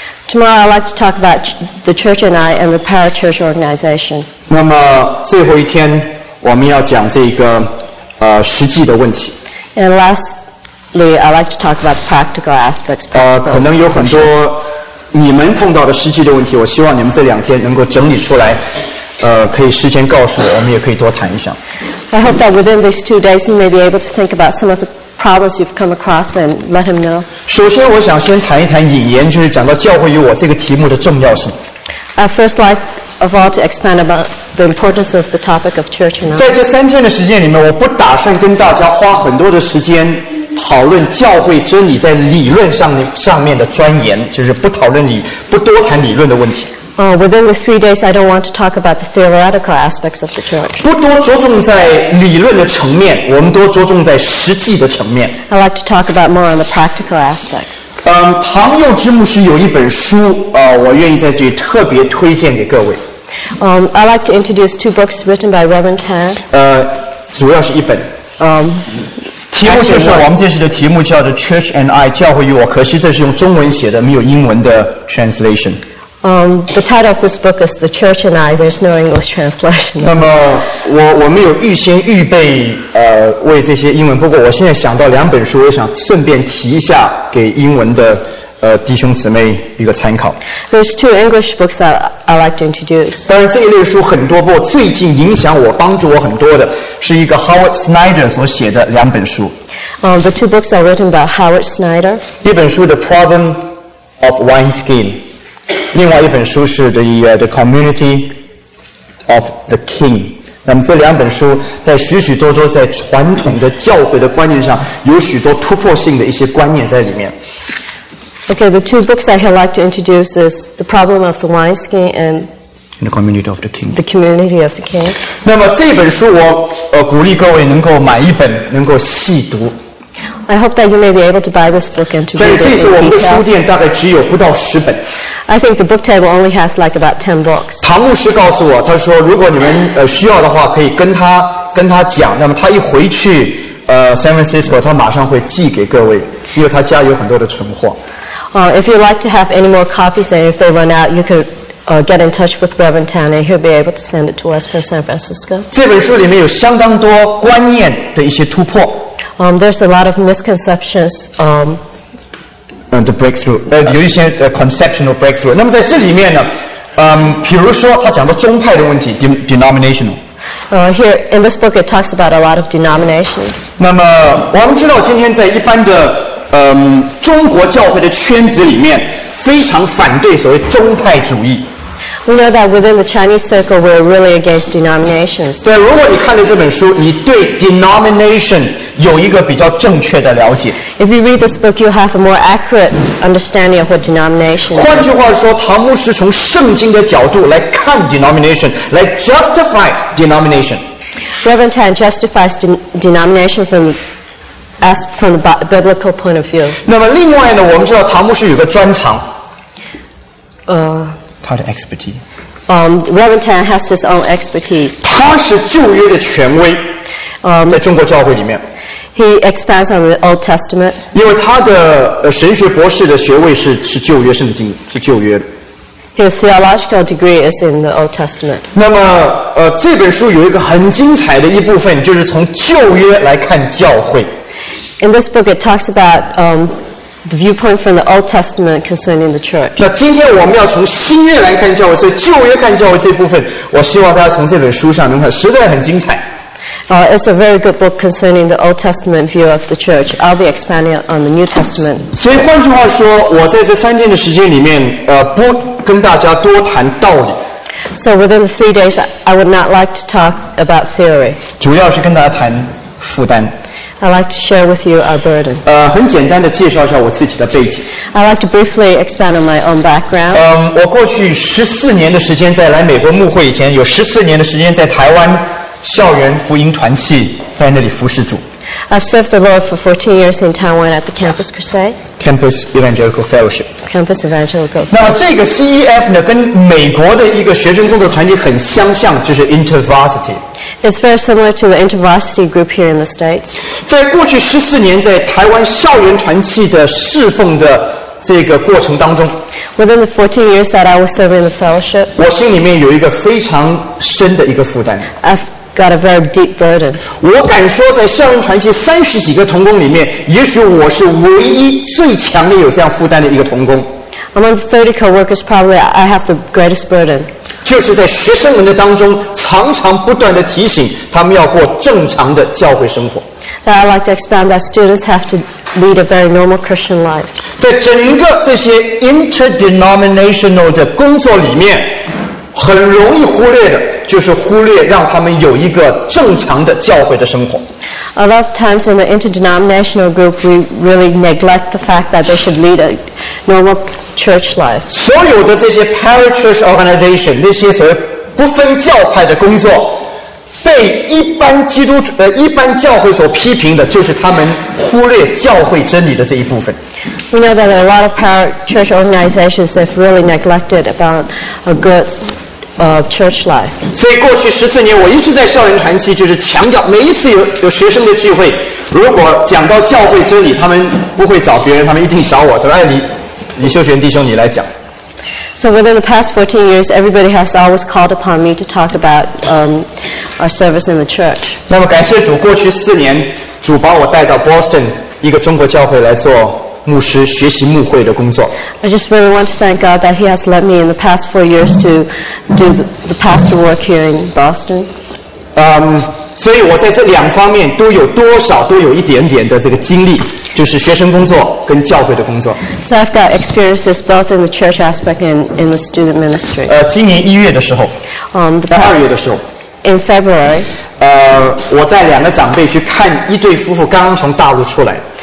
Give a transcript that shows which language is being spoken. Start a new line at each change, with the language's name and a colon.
English: Tomorrow I'd like to talk about the church and I and the parachurch organization.
Chinese: 那么最后一天我们要讲这个，实际的问题。
English: And lastly, I like to talk about the practical aspects.
Chinese: 可能有很多你们碰到的实际的问题，我希望你们这两天能够整理出来，可以事先告诉我，我们也可以多谈一下。
English: I hope that within these 2 days, you may be able to think about some of the problems you've come across and let him know.
Chinese: 首先，我想先谈一谈引言，就是讲到教会与我这个题目的重要性。
English: I first like of all to expand about. The importance of the topic of church.
Chinese: 在这三天的时间里面，我不打算跟大家花很多的时间讨论教会真理在理论上面的钻研，就是不讨论理，不多谈理论的问题。
English: Within the 3 days, I don't want to talk about the theoretical aspects of the church.
Chinese: 不多着重在理论的层面，我们多着重在实际的层面。
English: I like to talk about more on the practical aspects.
Chinese: 唐佑之牧师有一本书，我愿意在这里特别推荐给各位。
English: I'd like to introduce 2 books written by Reverend Tan.
Chinese: 主要是一本。题目就是我们这次的题目叫做 Church and I, 教会与我。可惜这是用中文写的，没有英文的 translation.
English: The title of this book is The Church and I. There's no English translation.
Chinese: 那么我没有预先预备为这些英文。不过我现在想到两本书，我想顺便提一下给英文的。弟兄姊妹一个参考。
English: There's 2 English books that I like to introduce.
Chinese: 当然这一类书很多，不过最近影响我、帮助我很多的是一个 Howard Snyder 所写的两本书。
English: The 2 books are written by Howard Snyder.
Chinese: 一本书 The Problem of Wineskin， 另外一本书是 The Community of the King。那么这两本书在许许多多在传统的教会的观念上有许多突破性的一些观念在里面。
English: Okay, the 2 books I would like to introduce is The Problem of the Wineskin and The Community of the King. The Community of the King.
Chinese: 那么这本书我鼓励各位能够买一本，能够细读。
English: I hope that you may be able to buy this book and to read it in detail.
Chinese: 对，这是我们的书店，大概只有不到十本。
English: I think the book table only has like about 10 books.
Chinese: 唐牧师告诉我，他说如果你们需要的话，可以跟他讲，那么他一回去San Francisco, 他马上会寄给各位，因为他家有很多的存货。
English: If you'd like to have any more copies, and if they run out, you could get in touch with Reverend Tan, and he'll be able to send it to us from San Francisco.
Chinese: 这本书里面有相当多观念的一些突破。
English: There's a lot of misconceptions. And the breakthrough,
Chinese: 有一些
English: conceptional breakthrough.
Chinese: 那么在这里面呢，比如说他讲的宗派的问题 ，denominational.
English: Here in this book, it talks about a lot of denominations.
Chinese: 那么我们知道今天在一般的中国教会的圈子里面非常反对所谓宗派主义。
English: We know that within the Chinese circle, we're really against denominations.
Chinese: 对，如果你看了这本书，你对 denomination 有一个比较正确的了解。
English: If you read this book, you have a more accurate understanding of what denomination is.
Chinese: 换句话说，唐牧师从圣经的角度来看 denomination, 来
English: justify denomination. Reverend Tan justifies denomination from the biblical point of view.
Chinese: 那么另外呢，我们知道唐牧师有个专长。他的 expertise.
English: Reverend Tan has his own expertise.
Chinese: 他是旧约的权威。在中国教会里面。
English: He expands on the Old Testament.
Chinese: 因为他的神学博士的学位是旧约圣经，是旧约。
English: His theological degree is in the Old Testament.
Chinese: 那么这本书有一个很精彩的一部分，就是从旧约来看教会。
English: In this book, it talks about the viewpoint from the Old Testament concerning the church.
Chinese: 那今天我们要从新约来看教会，所以旧约看教会这部分，我希望大家从这本书上能看，实在很精彩。
English: It's a very good book concerning the Old Testament view of the church. I'll be expanding on the New Testament.
Chinese: 所以换句话说，我在这三天的时间里面，不跟大家多谈道理。
English: So within the 3 days, I would not like to talk about theory.
Chinese: 主要是跟大家谈负担。
English: I'd like to share with you our burden.
Chinese: 很简单的介绍一下我自己的背景。
English: I'd like to briefly expand on my own background.
Chinese: 我过去14年的时间在来美国牧会以前，有14年的时间在台湾校园福音团契，在那里服侍主。
English: I've served the Lord for 14 years in Taiwan at the Campus Crusade. Campus Evangelical Fellowship. Campus Evangelical.
Chinese: 那这个 CEF 呢，跟美国的一个学生工作团体很相像，就是 InterVarsity。
English: It's very similar to the InterVarsity group here in the States.
Chinese: 在过去14年在台湾校园团契的侍奉的这个过程当中
English: ，Within the 14 years that I was serving the fellowship,
Chinese: 我心里面有一个非常深的一个负担。
English: Got a very deep burden.
Chinese: 我敢说，在校园传奇三十几个同工里面，也许我是唯一最强烈有这样负担的一个同工。
English: Among 30 coworkers, probably I have the greatest burden.
Chinese: 就是在学生们的当中，常常不断的提醒他们要过正常的教会生活。
English: That I'd like to expand that students have to lead a very normal Christian life.
Chinese: 在整个这些 interdenominational 的工作里面。很容易忽略的就是忽略让他们有一个正常的教会的生活。
English: A lot of times in the interdenominational group, we really neglect the fact that they should lead a normal church life.
Chinese: 所有的这些 parachurch organization, 那些所谓不分教派的工作，被一般教会所批评的就是他们忽略教会真理的这一部分。
English: We know that a lot of parachurch organizations have really neglected about a good church life.
Chinese: 所以过去十四年，我一直在校园传奇，就是强调每一次有学生的聚会，如果讲到教会真理，他们不会找别人，他们一定找我，找李秀全弟兄你来讲。
English: So within the past 14 years, everybody has always called upon me to talk about our service in the church.
Chinese: 那么感谢主，过去四年，主把我带到 Boston 一个中国教会来做。牧师学习牧会的工作。
English: I just really want to thank God that He has led me in the past 4 years to do the pastor work here in Boston.
Chinese: 所以我在这两方面都有多少都有一点点的这个经历，就是学生工作跟教会的工作。
English: So I've got experiences both in the church aspect and in the student ministry.
Chinese: 今年一月的时候。二月的时候。
English: In February.
Chinese: 我带两个长辈去看一对夫妇刚从大陆出来。